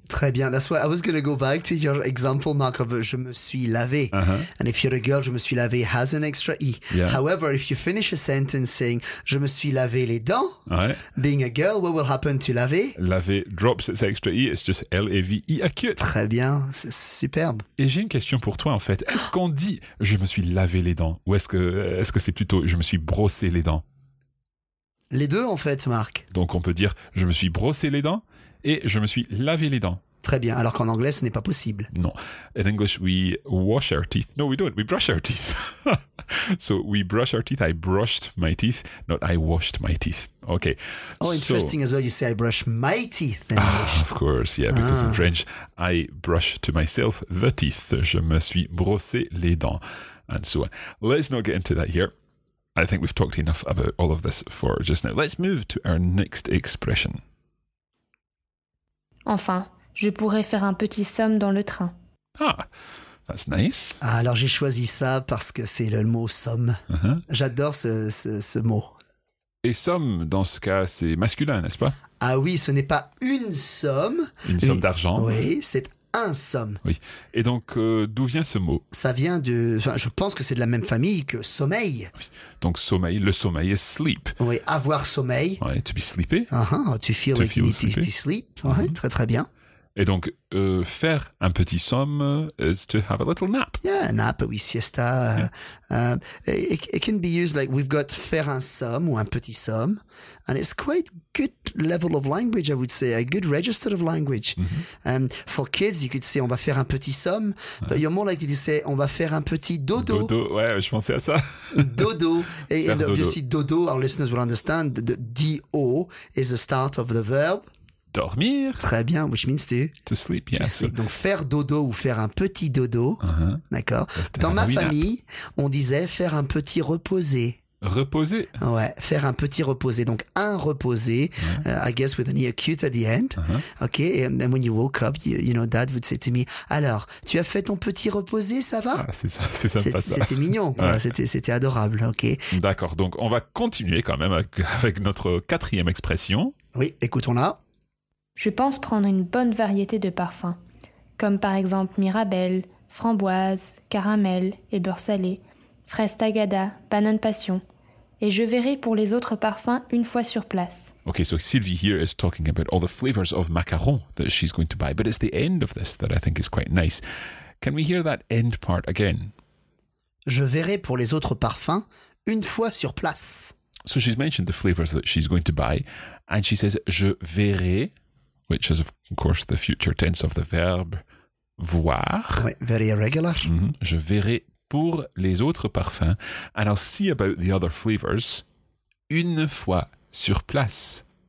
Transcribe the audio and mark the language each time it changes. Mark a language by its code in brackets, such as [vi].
[fr] Très bien. [en] That's why I was going to go back to your example, Mark, of [fr] je me suis lavé. Uh-huh. [en] And if you're a girl, [fr] je me suis lavé [en] has an extra E. Yeah. However, if you finish a sentence saying [fr] je me suis lavé les dents, ouais. [en] Being a girl, what will happen to lavé? Lavé drops its extra E. It's just L-A-V-E acute. [fr] Très bien. C'est superbe. Et j'ai une question pour toi, en fait. Est-ce qu'on dit je me suis lavé les dents ou est-ce que c'est plutôt je me suis brossé les dents? Les deux, en fait, Marc. Donc, on peut dire « je me suis brossé les dents » et « je me suis lavé les dents ». Très bien, alors qu'en anglais, ce n'est pas possible. [en] Non. In English, we wash our teeth. No, we don't. We brush our teeth. So, we brush our teeth. I brushed my teeth, not I washed my teeth. Okay. Oh, interesting so, as well. You say I brush my teeth in English. Of course, yeah. Because in French, I brush to myself the teeth. [fr] Je me suis brossé les dents. [en] And so on. Let's not get into that here. I think we've talked enough about all of this for just now. Let's move to our next expression. [fr] Enfin, je pourrais faire un petit somme dans le train. [en] Ah, that's nice. Ah, [fr] alors j'ai choisi ça parce que c'est le mot somme. Uh-huh. J'adore ce mot. Et somme, dans ce cas, c'est masculin, n'est-ce pas? Ah oui, ce n'est pas une somme. Une somme d'argent. Oui, c'est un somme. Oui. Et donc, d'où vient ce mot? Ça vient de... Enfin, je pense que c'est de la même famille que sommeil. Oui. Donc, sommeil, le sommeil est sleep. Oui, avoir sommeil. [en] Oui, to be sleepy. Uh-huh. To feel to like feel you need sleepy. To sleep. [fr] Uh-huh. Oui, très très bien. [en] Et donc, [fr] faire un petit somme [en] is to have a little nap. Yeah, nap, oui, siesta. Yeah. It can be used like we've got [fr] faire un somme ou un petit somme. [en] And it's quite good level of language, I would say, a good register of language. Mm-hmm. For kids, you could say [fr] on va faire un petit somme. [en] Ouais. But you're more likely to say [fr] on va faire un petit dodo. Dodo, ouais, je pensais à ça. Dodo. [en] And obviously, dodo, our listeners will understand, the D-O is the start of the verb. [fr] Dormir. Très bien, [en] which means to... To sleep, yes. To sleep. [fr] Donc faire dodo ou faire un petit dodo, uh-huh. D'accord. [en] That's [fr] dans ma famille, on disait faire un petit reposé. Reposé. Ouais, faire un petit reposé. Donc un reposé, uh-huh. [en] I guess with an E acute at the end. Uh-huh. Okay, and then when you woke up, you know, dad would say to me, [fr] alors, tu as fait ton petit reposé, ça va? Ah, c'est sympa, ça. C'était mignon, ouais. c'était adorable, ok. D'accord, donc on va continuer quand même avec notre quatrième expression. Oui, écoutons-la. Je pense prendre une bonne variété de parfums, comme par exemple mirabelle, framboise, caramel et beurre salé, fraise tagada, banane passion. et je verrai pour les autres parfums une fois sur place. [en] Okay, so Sylvie here is talking about all the flavors of macaron that she's going to buy, but it's the end of this that I think is quite nice. Can we hear that end part again? [fr] Je verrai pour les autres parfums une fois sur place. [en] So she's mentioned the flavors that she's going to buy, and she says [fr] je verrai, [en] which is of course the future tense of the verb voir. Oui, very irregular. Mm-hmm. [fr] Je verrai pour les autres parfums, [en] and I'll see about the other flavors [fr] une fois sur place.